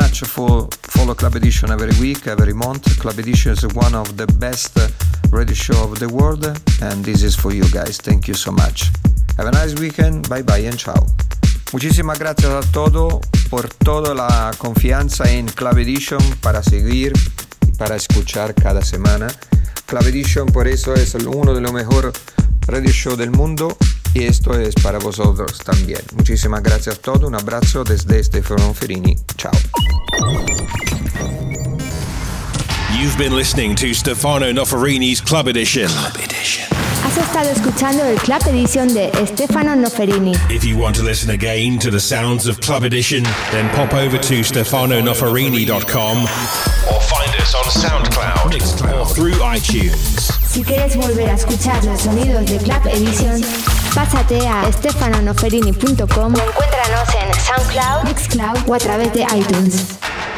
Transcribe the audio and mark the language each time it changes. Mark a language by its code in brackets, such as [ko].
[en] Every week, every month, Club Edition is one of the best radio show of the world, and this is for you guys. Thank you so much. Have a nice weekend. Bye bye and ciao. [es] Muchísimas gracias a todo por toda la confianza en Club Edition para seguir y para escuchar cada semana. Club Edition por eso es uno de los mejores radio show del mundo y esto es para vosotros también. Muchísimas gracias a todo. Un abrazo desde Stefano Ferini. Ciao. [en] You've been listening to Stefano Noferini's Club Edition. Club [es] Edition. Has estado escuchando el Club Edition de Stefano Noferini. [en] If you want to listen again to the sounds of Club Edition, then pop over to StefanoNoferini.com or find us on SoundCloud or through iTunes. [es] Si quieres volver a escuchar los sonidos de Club Edition, pásate a StefanoNoferini.com o encuéntranos en SoundCloud, Mixcloud o a través de iTunes.